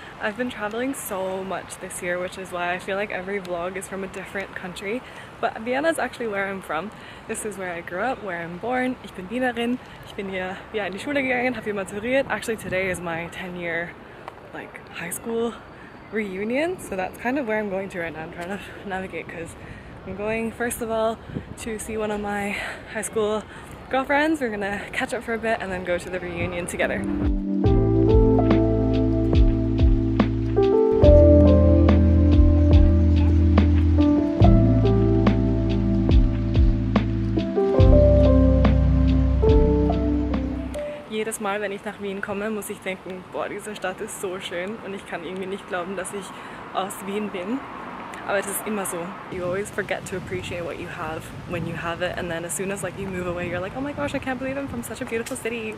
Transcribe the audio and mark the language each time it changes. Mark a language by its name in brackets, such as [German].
[English] I've been traveling so much this year, which is why I feel like every vlog is from a different country. But Vienna is actually where I'm from. This is where I grew up, where I'm born. [German] Ich bin Wienerin. Ich bin hier, ja, in die Schule gegangen, habe hier maturiert. [English] Actually, today is my 10-year, like, high school reunion. So that's kind of where I'm going to right now. I'm trying to navigate because I'm going, first of all, to see one of my high school girlfriends. We're gonna catch up for a bit and then go to the reunion together. [German] Jedes Mal, wenn ich nach Wien komme, muss ich denken, boah, diese Stadt ist so schön und ich kann irgendwie nicht glauben, dass ich aus Wien bin. Aber es ist immer so. [English] You always forget to appreciate what you have when you have it, and then as soon as like you move away, you're like, oh my gosh, I can't believe I'm from such a beautiful city.